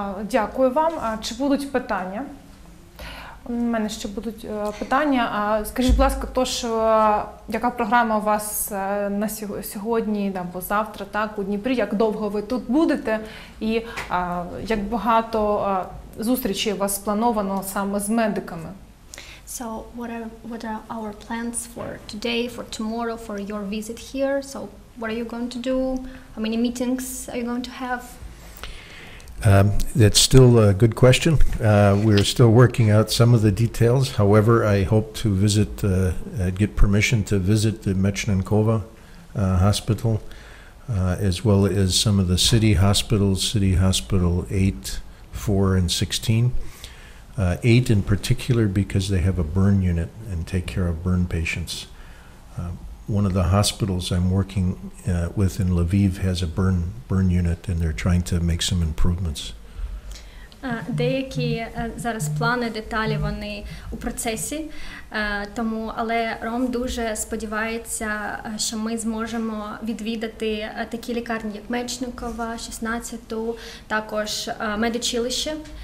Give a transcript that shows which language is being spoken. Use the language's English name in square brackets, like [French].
[Ukrainian] Дякую вам. Чи будуть питання? У мене ще будуть питання. Скажіть, будь ласка, яка програма у вас на сьогодні або завтра, так, у Дніпрі, як довго ви тут будете і як багато зустрічей у вас сплановано саме з медиками? [English] So, what are our plans for today, for tomorrow, for your visit here? So, what are you going to do? How many meetings are you going to have? That's still a good question. We're still working out some of the details. However, I hope to visit, get permission to visit the Mechnenkova hospital, as well as some of the city hospitals, City Hospital 8, 4, and 16. 8 in particular because they have a burn unit and take care of burn patients. One of the hospitals I'm working with in Lviv has a burn unit, and they're trying to make some improvements. [Ukrainian] Деякі зараз плани, деталі, вони у процесі, тому, але Ром дуже сподівається, що ми зможемо відвідати такі лікарні, як Мечникова, 16-ту, також медучилище.